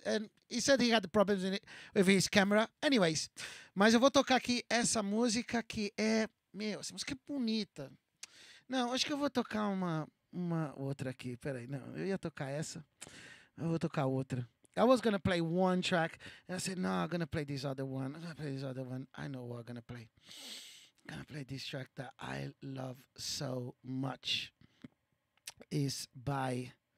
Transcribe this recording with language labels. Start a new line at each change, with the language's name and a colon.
English: And he said he had problems with his camera. Anyways,
Portuguese: mas eu vou tocar aqui essa música que é... Meu, essa música é bonita. Não, acho que eu vou tocar uma outra aqui. Peraí, não. Eu ia tocar essa. Eu vou tocar outra.
English: I was gonna play one track. And I said, no, I'm gonna play this other one. I know what I'm gonna play. Gonna play this track that I love so much. Is by.